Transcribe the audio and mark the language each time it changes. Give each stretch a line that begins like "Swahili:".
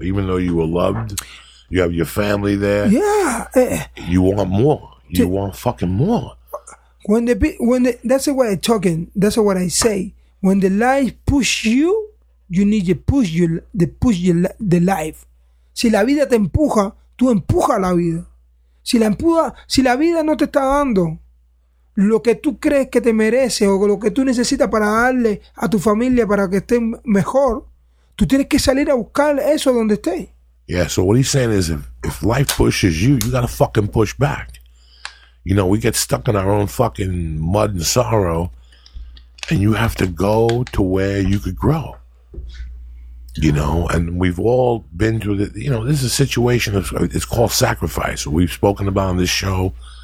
English: Even though you were loved, you have your family there. Yeah. You want more. You want fucking more. That's the way I'm talking. That's what I say. When the life push you, you need to push you. The life.
Spanish: Si la vida te empuja, tú empuja la vida. Si la vida no te está dando lo que tú crees que te mereces o lo que tú necesitas para darle a tu familia para que estén mejor, tú tienes que salir a buscar eso donde esté.
English: Yeah. So what he's saying is, if life pushes you, you gotta fucking push back. You know, we get stuck in our own fucking mud and sorrow, and you have to go to where you could grow. You know, and we've all been through this. You know, this is a situation, it's called sacrifice. We've spoken about on this show